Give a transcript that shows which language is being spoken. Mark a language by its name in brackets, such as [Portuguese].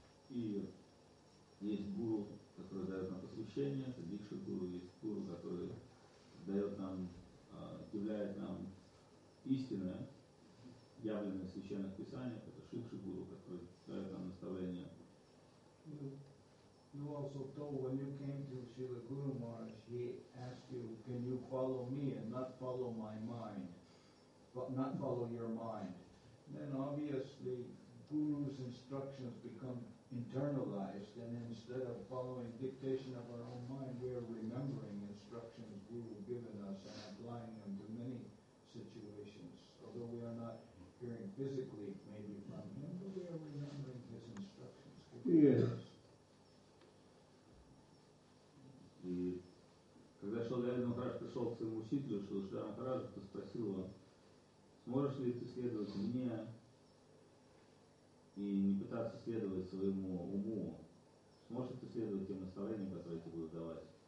[Russian] И есть гуру, который дает нам посвящение, это дикша гуру, есть гуру, который дает нам, являет нам истинное, явленное в священных писаниях, это шикша гуру, который дает нам наставление. [English] You also told when you came to Srila Guru Maharaj, he asked you, can you follow me and not follow my mind, but not follow your mind. Then obviously Guru's instructions become internalized, and instead of following dictation of our own mind, we are remembering instructions Guru given us and applying them to many situations. Although we are not hearing physically maybe from him, but we are remembering his instructions. [Russian] И когда Шалдарин Махарадж пришел к своему учителю, Шалдарин Махарадж, то спросил его, сможешь ли ты следовать мне и не пытаться следовать своему уму, сможешь ли ты следовать тем наставлениям, которые тебе будут давать.